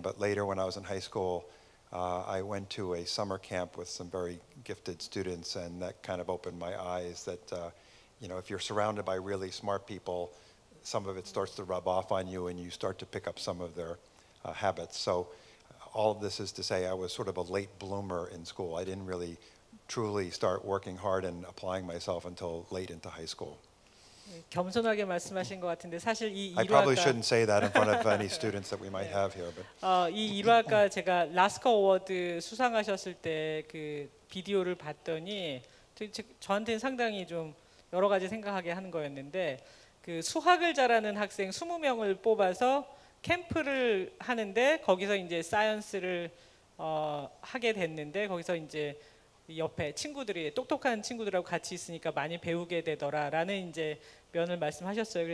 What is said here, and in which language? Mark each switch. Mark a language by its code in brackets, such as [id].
[en] But later, when I was in high school, I went to a summer camp with some very gifted students, and that kind of opened my eyes that you know, if you're surrounded by really smart people, some of it starts to rub off on you and you start to pick up some of their habits. So all of this is to say I was sort of a late bloomer in school. I didn't really truly start working hard and applying myself until late into high school. [ko] 겸손하게 말씀하신 것 같은데 사실 이 [en] I probably shouldn't say that in front of any students that we might have here. But [ko] 이 일화가 제가 라스커 어워드 수상하셨을 때 그 비디오를 봤더니 저한테는 상당히 좀 여러 가지 생각하게 하는 거였는데 그 수학을 잘하는 학생 20명을 뽑아서 캠프를 하는데 거기서 이제 사이언스를 하게 됐는데 거기서 이제 옆에 친구들이 똑똑한 친구들하고 같이 있으니까 많이 배우게 되더라라는 이제 면을 말씀하셨어요.